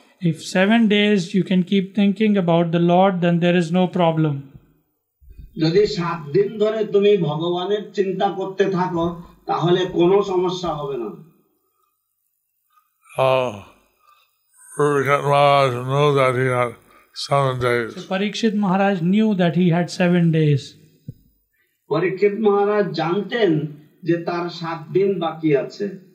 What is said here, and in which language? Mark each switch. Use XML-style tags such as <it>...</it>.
<en>If 7 days you can keep thinking about the Lord, then there is no problem.</en> <bn>যদি 7 দিন ধরে তুমি ভগবানের চিন্তা করতে থাকো তাহলে কোনো সমস্যা হবে না।</bn> <en>Parikshit Maharaj knew that he had 7 days. So Parikshit Maharaj knew that he had 7 days.</en> <bn>Parikshit Maharaj জানতেন যে তার 7 দিন বাকি আছে।</bn>